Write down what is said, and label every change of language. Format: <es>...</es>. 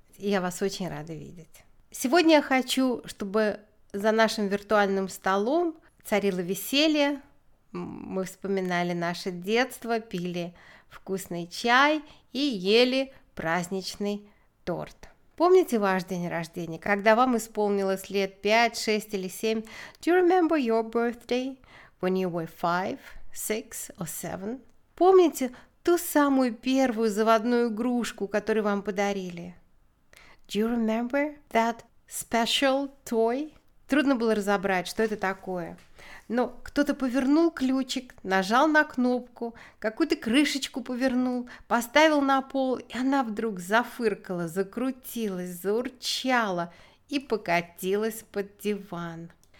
<ru>И я вас очень рада видеть. Сегодня я хочу, чтобы за нашим виртуальным столом царило веселье. Мы вспоминали наше детство, пили вкусный чай и ели праздничный торт. Помните ваш день рождения, когда вам исполнилось лет 5, 6 или 7?</ru> <en>Do you remember your birthday when you were 5, 6 or 7?</en> <ru>Помните ту самую первую заводную игрушку, которую вам подарили?</ru> <en>Do you remember that special toy?</en> <ru>Трудно было разобрать, что это такое. Но кто-то повернул ключик, нажал на кнопку, какую-то крышечку повернул, поставил на пол, и она вдруг зафыркала, закрутилась, заурчала и покатилась под диван.</ru>